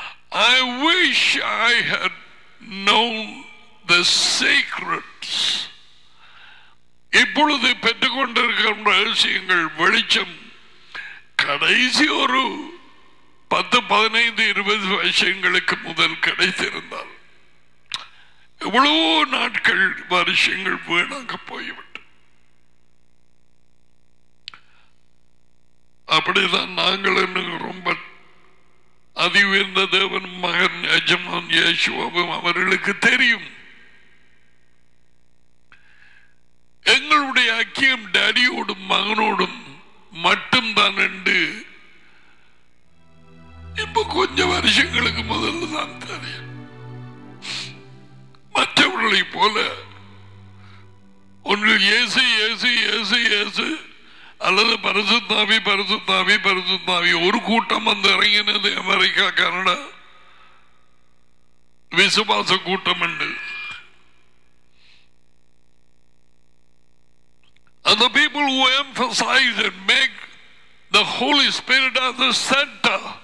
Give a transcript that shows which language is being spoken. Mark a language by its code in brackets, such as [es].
[en] I wish I had known the secrets. [ta] இப்பொழுது பெற்றுக்கொண்டிருக்கிற ரகசியங்கள் வெளிச்சம் கடைசி ஒரு 10, 15, 20 வருஷங்களுக்கு முதல் கிடைத்திருந்தால் எவ்வளவு நாட்கள் வருஷங்கள் வீணாக போய்விட்டு. அப்படிதான் நாங்கள் என்று ரொம்ப அதி உயர்ந்த தேவன் மகன் யஜமான் யேசுவாவும் அவர்களுக்கு தெரியும். எங்களுடைய ஐக்கியம் டாடியோடும் மகனோடும் மட்டும்தான் என்று இப்ப கொஞ்சம் வருஷங்களுக்கு முதல்ல தான் தெரியும். மற்றவர்களை போல ஒன்று ஏசு ஏசு ஏசு ஏசு அல்லது பரிசுத்தாவி பரிசுத்தாவி பரிசுத்தாவி ஒரு கூட்டம் வந்து இறங்கினது அமெரிக்கா கனடா விசுவாச கூட்டம் உண்டு. [en] And the people who emphasize and make the Holy Spirit as the center.